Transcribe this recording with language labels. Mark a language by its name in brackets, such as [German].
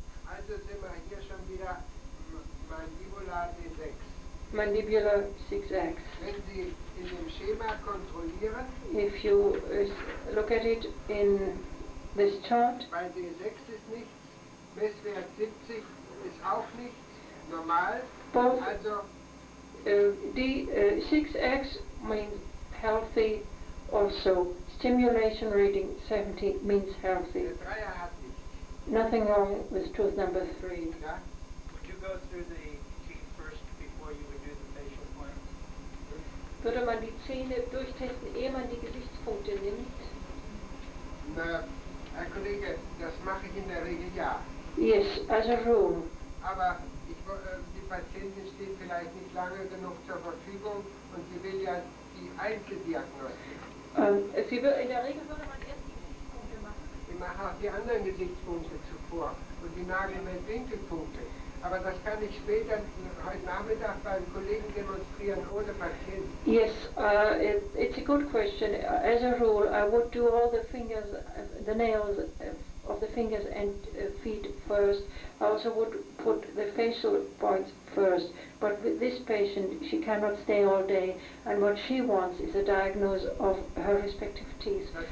[German] Also, sind wir hier schon wieder mandibular D6. [English] Mandibular 6x. [German] Wenn Sie in dem Schema kontrollieren, [English] if you look at it in this chart, [German] bei D6 ist nichts, Messwert 70 ist auch nichts, normal. [English] Both also, D6x means healthy. Also, stimulation reading 70 means healthy. Nothing wrong with tooth number 3. Would you go through the teeth first before you would do the facial points? [German] Würde man die Zähne durchtesten, ehe man die Gesichtspunkte nimmt? Na, Herr Kollege, das mache ich in der Regel ja. [English] Yes, as a rule. [German] Aber ich, die Patientin steht vielleicht nicht lange genug zur Verfügung und sie will ja die Einzeldiagnostik. Sie will, in der Regel würde man erst die Gesichtspunkte machen. Ich mache auch die anderen Gesichtspunkte zuvor und die Nagel mit Winkelpunkte. Aber das kann ich später heute Nachmittag beim Kollegen demonstrieren ohne Patienten. [English] Yes, it's a good question. As a rule, I would do all the fingers, the nails of the fingers and feet first. I also would put the facial points first. But with this patient, she cannot stay all day, and what she wants is a diagnosis of her respective teeth.